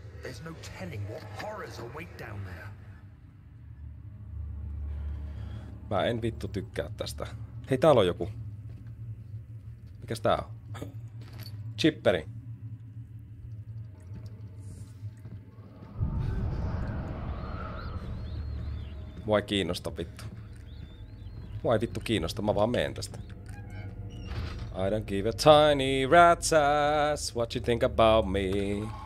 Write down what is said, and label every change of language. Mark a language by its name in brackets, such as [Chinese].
[English] There's no telling what horrors await down there. [Finnish] Mä en vittu tykkää tästä. Hei, täällä on joku. Mikäs tää on? Chipperi. Mua ei kiinnosta vittu. Mua ei vittu kiinnosta, mä vaan meen tästä. [English] I don't give a tiny rat's ass what you think about me.